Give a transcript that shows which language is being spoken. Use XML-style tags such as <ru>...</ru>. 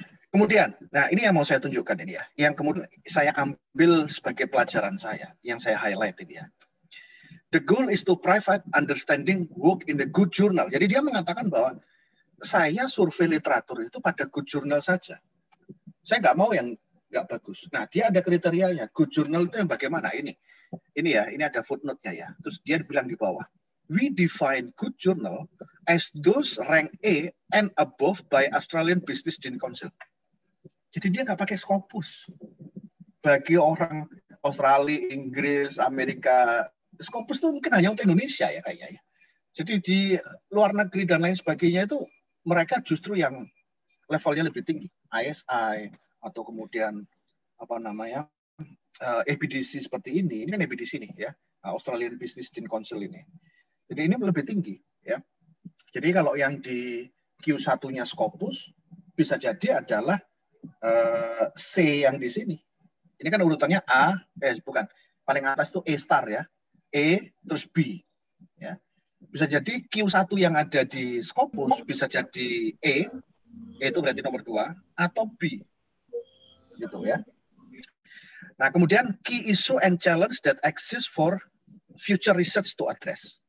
<id>Kemudian, nah ini yang mau saya tunjukkan ini ya. Yang kemudian saya ambil sebagai pelajaran saya, yang saya highlight ini ya.</id> <en>The goal is to provide understanding work in the good journal.</en> <id>Jadi dia mengatakan bahwa saya survei literatur itu pada good journal saja. Saya nggak mau yang nggak bagus. Nah, dia ada kriterianya. Good journal itu yang bagaimana? Ini ya, ini ada footnote-nya ya. Terus dia bilang di bawah.</id> <en>We define good journal as those rank A and above by Australian Business Dean Council.</en> <id>Jadi dia nggak pakai Scopus. Bagi orang Australia, Inggris, Amerika, Scopus itu mungkin hanya untuk Indonesia ya kayaknya. Jadi di luar negeri dan lain sebagainya itu mereka justru yang levelnya lebih tinggi. ISI atau kemudian apa namanya ABDC seperti ini kan ABDC nih ya, Australian Business Dean Council ini. Jadi ini lebih tinggi, ya. Jadi kalau yang di Q1-nya Scopus bisa jadi adalah C yang di sini. Ini kan urutannya A, bukan paling atas itu A star ya, E terus B, ya. Bisa jadi Q1 yang ada di Scopus bisa jadi E, itu berarti nomor 2, atau B, gitu ya. Nah kemudian</id> <en>key issue and challenge that exist for future research to address.</en>